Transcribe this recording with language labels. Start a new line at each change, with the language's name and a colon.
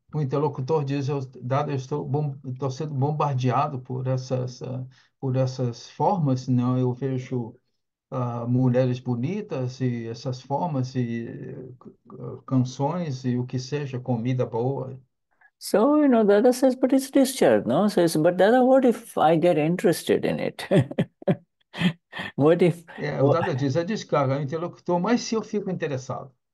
Portuguese: O interlocutor diz, Dada, estou sendo bombardeado por essas formas, não? Eu vejo mulheres bonitas e essas formas e canções e o que seja, comida boa.
English: So, you know, Dada says, but it's discharge, no? Says, but Dada, what if I get interested in it? What if...
Portuguese: O Dada diz, é descarga, o interlocutor, mas se eu fico interessado?